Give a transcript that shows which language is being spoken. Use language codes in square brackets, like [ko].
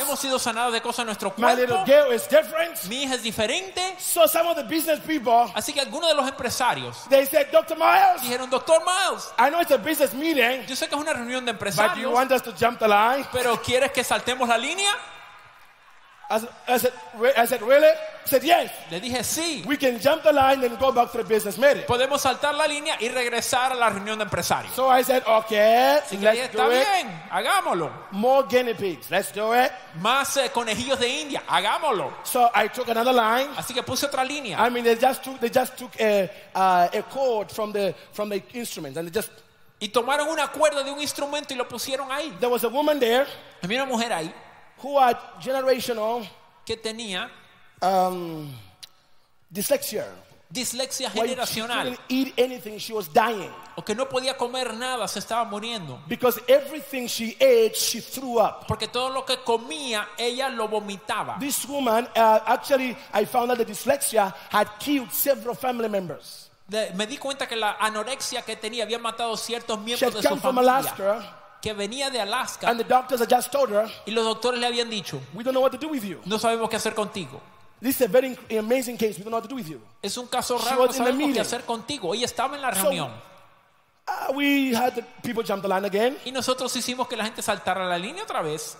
[es] Hemos sido sanados de cosas en nuestro cuerpo. [en] My little girl is different. [es] Mi hija es diferente. [en] So some of the business people, [es] así que algunos de los empresarios, [en] they said, Dr. Myles, [es] dijeron, Dr. Myles, [en] I know it's a business meeting, [es] yo sé que es una reunión de empresarios, [en] but do you want us to jump the line? [es] Pero ¿quieres que saltemos la línea? [en] I said, really? I said, yes. [es] Le dije, sí. [en] We can jump the line and go back to the business meeting. [es] Podemos saltar la línea y regresar a la reunión de empresarios. [en] So I said, okay, [es] así [en] let's [es] dije, [en] do [es] está [en] it. [es] Bien, hagámoslo. [en] More guinea pigs, let's do it. [es] Más conejillos de India, hagámoslo. [en] So I took another line. [es] Así que puse otra línea. [en] I mean, they just took a cord from the instruments and they just. [es] Y tomaron una cuerda de un instrumento y lo pusieron ahí. [en] There was a woman there. [es] Había una mujer ahí. [en] Who had generational [es] que tenía, [en] dyslexia. [es] Dyslexia generacional. [en] She couldn't eat anything, she was dying. [es] O que no podía comer nada, se estaba muriendo. [en] Because everything she ate, she threw up. [es] Porque todo lo que comía, ella lo vomitaba. [en] This woman, actually, I found out that dyslexia had killed several family members. [es] Me di cuenta que la anorexia que tenía había matado ciertos miembros de su [en] She had come from Alaska. [es] Que venía de Alaska, [en] and the doctors had just told her, [es] y los doctores le habían dicho, [en] we don't know what to do with you. [es] No sabemos qué hacer contigo. [en] This is a very amazing case. We don't know what to do with you. [es] Es un caso raro. No sabemos qué hacer contigo. Ella estaba en la reunión. [en] So, we had the people jump the line again. [es] Y nosotros hicimos que la gente saltara la línea otra vez.